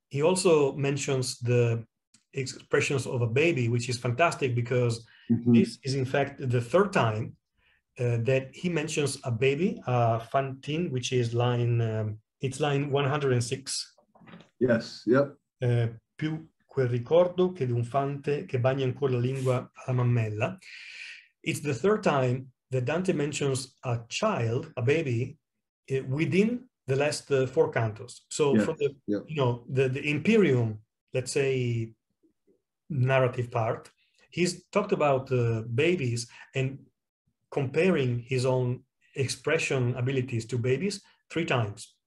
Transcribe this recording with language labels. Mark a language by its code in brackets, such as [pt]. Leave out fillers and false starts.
[en] He also mentions the expressions of a baby, which is fantastic because mm-hmm. this is in fact the third time that he mentions a baby, a fantine, which is it's line 106. Yes, yep. [it] Più quel ricordo che di un fante che bagna ancora la lingua alla mammella. [en] It's the third time that Dante mentions a child, a baby, within the last 4 cantos. So yes, from the Imperium, let's say, narrative part, he's talked about babies and comparing his own expression abilities to babies 3 times.